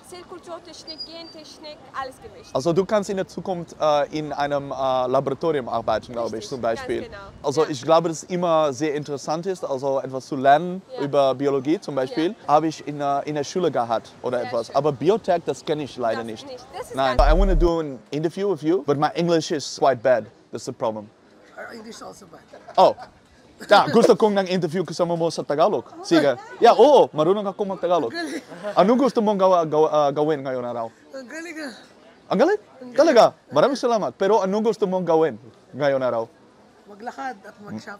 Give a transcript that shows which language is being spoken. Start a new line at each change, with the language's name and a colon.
German: Zellkulturtechnik, Gentechnik, alles gemischt. Also du kannst in der Zukunft in einem Laboratorium arbeiten, glaube ich, zum Beispiel. Ganz genau. Also ich glaube, dass es immer sehr interessant ist, also etwas zu lernen über Biologie zum Beispiel, habe ich in der Schule gehabt oder sehr etwas. Schön. Aber Biotech, das kenne ich leider nicht. Das ist nein.
English: I want to do an interview with you, but my English is quite bad. That's the problem. English also bad. Oh.
Filipino: Ja, gusto kong ng interview kasama mo sa Tagalog. Sige. Ya, yeah, oo, marunong ako mag-Tagalog. Ano gusto mong gawin ngayon araw? Ang galing ka. Ang galing? Talaga? Maraming salamat. Pero ano gusto mong gawin ngayon araw? Maglakad at mag-shop.